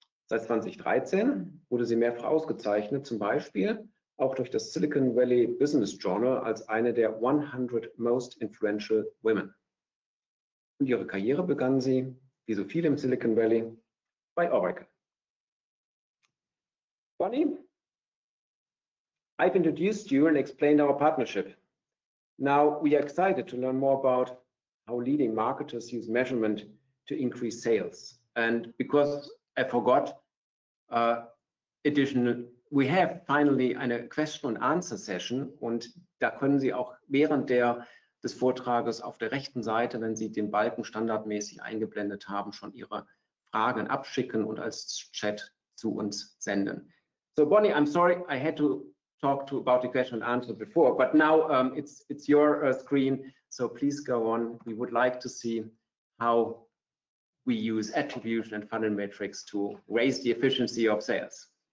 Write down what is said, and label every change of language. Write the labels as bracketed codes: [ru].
[de] Seit 2013 wurde sie mehrfach ausgezeichnet, zum Beispiel auch durch das Silicon Valley Business Journal als eine der 100 Most Influential Women. Und ihre Karriere begann sie, wie so viele im Silicon Valley, bei Oracle. [en] Bonnie, I've introduced you and explained our partnership. Now we are excited to learn more about how leading marketers use measurement to increase sales. And because I forgot, Additional, we have finally [de] eine Question and Answer Session und da können Sie auch während des Vortrages auf der rechten Seite, wenn Sie den Balken standardmäßig eingeblendet haben, schon Ihre Fragen abschicken und als Chat zu uns senden. [en] So Bonnie, I'm sorry, I had to talk to about the question and answer before, but now it's your screen, so please go on. We would like to see how we use attribution and funnel metrics to raise the efficiency of sales.